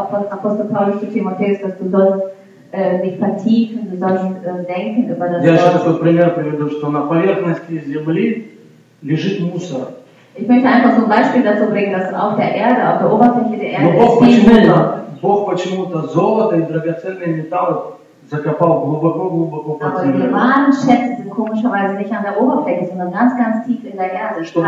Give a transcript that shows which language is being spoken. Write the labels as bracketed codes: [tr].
[de] apostolische Timotheus, dass du sollst dich vertiefen, du sollst denken über das. [ru] Я еще такой пример приведу, что на поверхности земли лежит мусор. [de] Ich möchte einfach so ein Beispiel dazu bringen, dass auf der Erde, auf der Oberfläche der Erde. [ru] Бог почему-то золото и драгоценные металлы закопал глубоко, глубоко под землю. [de] Aber die wahren Schätze sind komischerweise nicht an der Oberfläche, sondern ganz, ganz tief in der Erde.